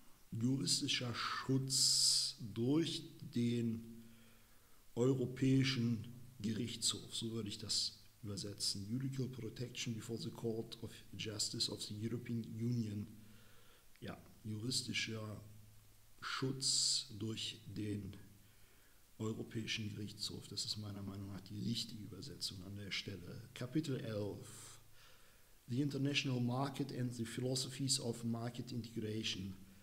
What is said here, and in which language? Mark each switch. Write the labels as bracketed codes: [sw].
[de] Juristischer Schutz durch den Europäischen Gerichtshof, so würde ich das übersetzen. [en] Judicial Protection before the Court of Justice of the European Union. [de] Ja, juristischer Schutz durch den Europäischen Gerichtshof. Das ist meiner Meinung nach die richtige Übersetzung an der Stelle. Kapitel 11. [en] The International Market and the Philosophies of Market Integration.